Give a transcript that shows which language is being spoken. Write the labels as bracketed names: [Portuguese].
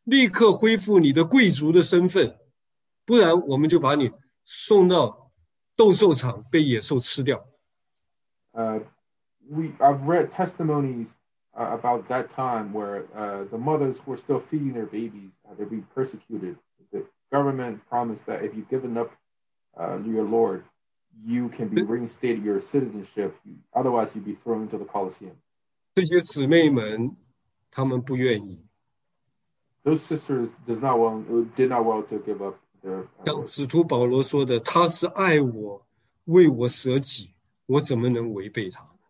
[Chinese] 我读过一些的见证，有一些还在乳养孩子的妈妈，啊，这个当时的政权说，你只要在众人面前否认耶稣是主，我们就放你，你立刻恢复你的公民权，立刻恢复你的贵族的身份。不然我们就把你送到斗兽场被野兽吃掉。 [English] I've read testimonies about that time where the mothers who are still feeding their babies, they're being persecuted. The government promised that if you've given up your Lord, you can be reinstated your citizenship. Otherwise, you'd be thrown into the Colosseum. [Chinese] 这些姊妹们，她们不愿意。 [English] Those sisters did not want to give up. [Chinese] 像使徒保罗说的，他是爱我，为我舍己，我怎么能违背他？